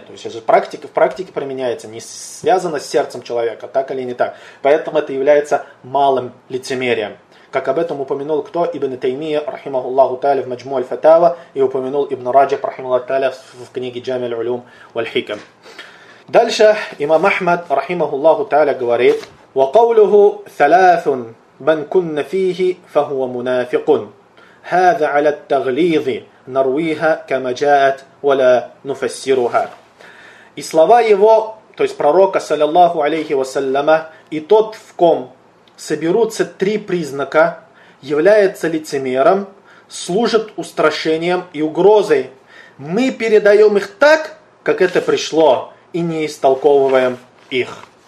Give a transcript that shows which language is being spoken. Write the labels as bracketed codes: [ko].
[ru] То есть это практика, в практике применяется, не связано с сердцем человека, так или не так. Поэтому это является малым лицемерием. Как об этом упомянул кто? Ибн Таймия, рахимахуллаху тааля, в Маджму аль-Фатава, и упомянул Ибн Раджих, рахимахуллаху тааля, в книге Джами аль-Улюм валь-Хикам. [ar] Дальше имам Ахмад, рахимахуллаху тааля, говорит: وَقَوْلُهُ ثَلَاثٌ مَنْ كُنَّ فِيهِ فَهُوَ مُنَافِقٌ هَذَا عَلَى التَّغْلِيظِ نَرْوِيهَا كَمَ جَاءَتْ وَلَا نُفَسِّرُهَا. [ru] И слова его, то есть пророка, саллиллаху алейхи вассаляма, и тот, в ком соберутся три признака, является лицемером, служит устрашением и угрозой. Мы передаем их так, как это пришло, и не истолковываем их.